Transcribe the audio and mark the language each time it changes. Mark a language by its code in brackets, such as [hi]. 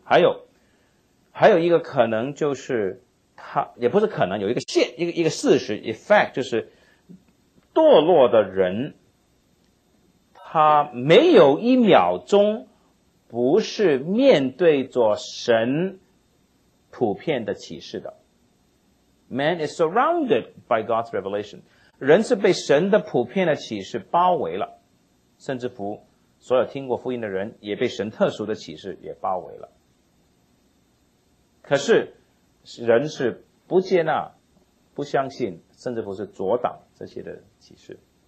[zh] 还有一个可能，就是他也不是可能，有一个现一个事实 effect， 就是堕落的人他没有一秒钟不是面对着神普遍的启示的。 [en] Man is surrounded by God's revelation. [zh] 人是被神的普遍的启示包围了，甚至乎所有听过福音的人也被神特殊的启示也包围了。可是人是不接纳、不相信，甚至乎是阻挡这些的启示。